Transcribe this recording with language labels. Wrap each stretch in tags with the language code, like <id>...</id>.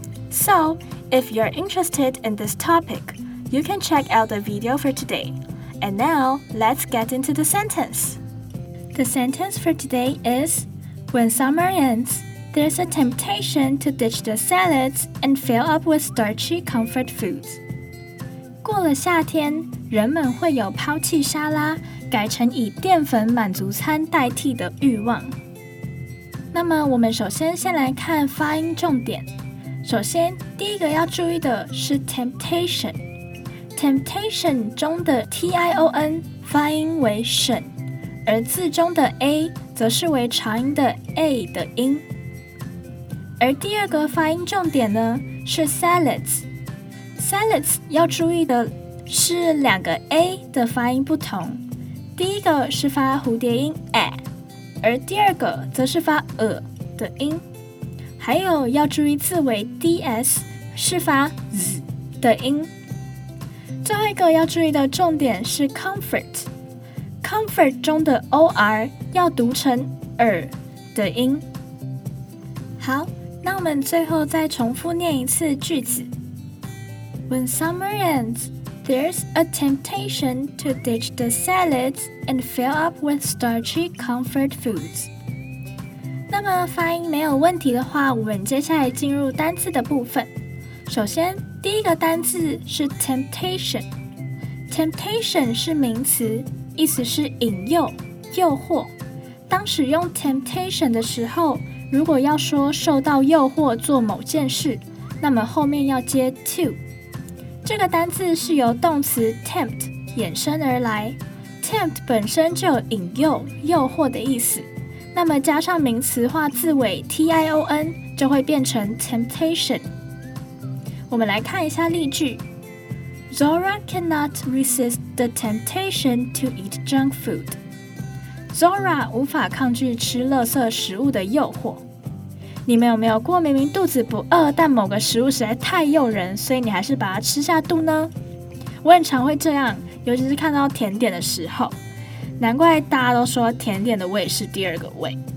<en>So, if you're interested in this topic, you can check out the video for today. And now, let's get into the sentence. The sentence for today is, when summer ends, there's a temptation to ditch the salads and fill up with starchy comfort foods.</en> <zh>过了夏天，人们会有抛弃沙拉，改成以淀粉满足餐代替的欲望。那么我们首先先来看发音重点。首先，第一个要注意的是 temptation。 Temptation 中的 T-I-O-N 发音为省，而字中的 A 则是为长音的 A 的音。而第二个发音重点呢是 salads。 Salads 要注意的是两个 A 的发音不同，第一个是发蝴蝶音 A， 而第二个则是发 A 的音。还有要注意字尾 DS 是发 Z 的音。最后一个要注意的重点是 comfort， comfort 中的 OR 要读成 R 的音。好，那我们最后再重复念一次句子。</zh> <en>When summer ends, there's a temptation to ditch the salads and fill up with starchy comfort foods。</en> <zh>那么发音没有问题的话，我们接下来进入单字的部分。首先第一个单字是 temptation， temptation 是名词，意思是引诱、诱惑。当使用 temptation 的时候，如果要说受到诱惑做某件事，那么后面要接 to。这个单字是由动词 tempt 衍生而来， tempt 本身就有引诱、诱惑的意思，那么加上名词化字尾 t-i-o-n 就会变成 temptation。我们来看一下例句。</zh> <en>Zora cannot resist the temptation to eat junk food.</en> <zh>Zora 无法抗拒吃垃圾食物的诱惑。你们有没有过明明肚子不饿，但某个食物实在太诱人，所以你还是把它吃下肚呢？我很常会这样，尤其是看到甜点的时候。难怪大家都说甜点的胃是第二个胃。</zh>